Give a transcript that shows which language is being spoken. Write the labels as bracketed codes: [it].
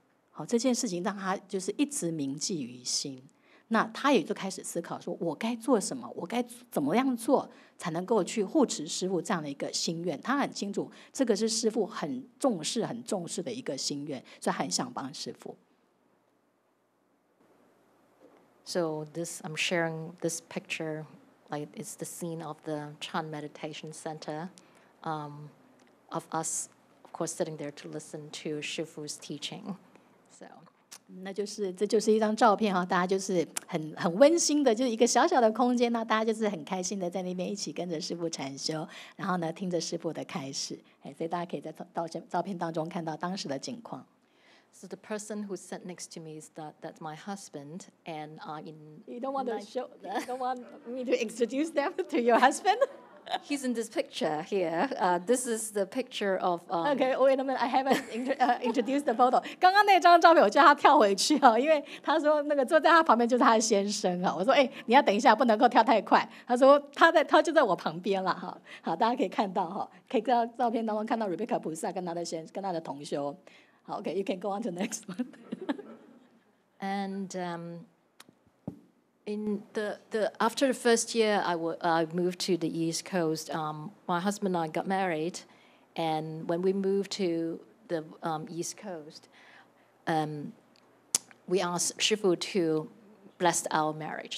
[zh] 好，这件事情让他就是一直铭记于心。那他也就开始思考说，我该做什么，我该怎么样做才能够去护持师父这样的一个心愿。他很清楚这个是师父很重视很重视的一个心愿，所以很想帮师父。 [en] So this, I'm sharing this picture, like it's the scene of the Chan Meditation Center, of us, of course, sitting there to listen to Shifu's teaching. So, [zh] 那就是这就是一张照片哈，大家就是很温馨的，就是一个小小的空间，那大家就是很开心的在那边一起跟着师父禅修，然后呢听着师父的开示，哎，所以大家可以在照片当中看到当时的景况。 [en] So the person who sat next to me is that's my husband, and in you don't want to show that. You don't want me to introduce them to your husband. He's in this picture here. This is the picture of. Okay, wait a minute. I haven't introduced the photo. [zh] 刚刚那张照片，我叫他跳回去哈，因为他说那个坐在他旁边就是他的先生哈。我说哎，你要等一下，不能够跳太快。他说他就在我旁边了哈。好，大家可以看到哈，可以在照片当中看到 Rebecca 菩萨跟他的先跟他的同修。 [en] Okay, you can go on to the next one. And in the after the first year, I moved to the East Coast. My husband and I got married, and when we moved to the East Coast, we asked Shifu to bless our marriage.